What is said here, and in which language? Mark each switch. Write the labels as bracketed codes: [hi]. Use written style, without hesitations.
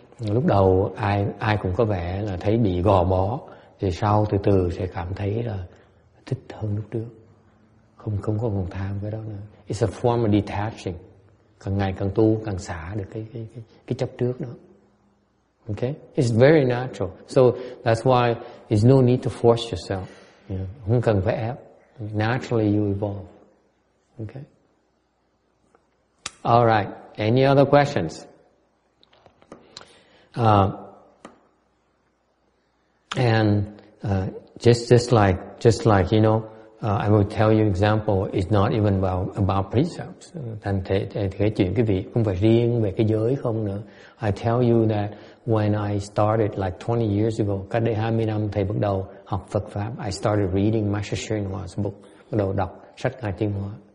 [vi] Lúc đầu ai cũng có vẻ là thấy bị gò bó, thì sau từ từ sẽ cảm thấy là thích hơn lúc trước, không có còn tham cái đó nữa. [en] It's a form of detaching. [vi] Càng ngày càng tu càng xả được cái chấp trước đó. [en] Okay, it's very natural. So that's why it's no need to force yourself. Yeah. [vi] Không cần phải ép. [en] Naturally you evolve. Okay. All right. Any other questions? Just like you know, I will tell you example. It's not even about precepts. [vi] Thành thế chuyện quý vị không phải riêng về cái giới không nữa. [en] I tell you that when I started like 20 years ago, [vi] cách đây 20 năm thầy bắt đầu học Phật pháp. [en] I started reading Master Srinivas's book, [vi] bắt đầu đọc sách Ngài Tiên Hóa.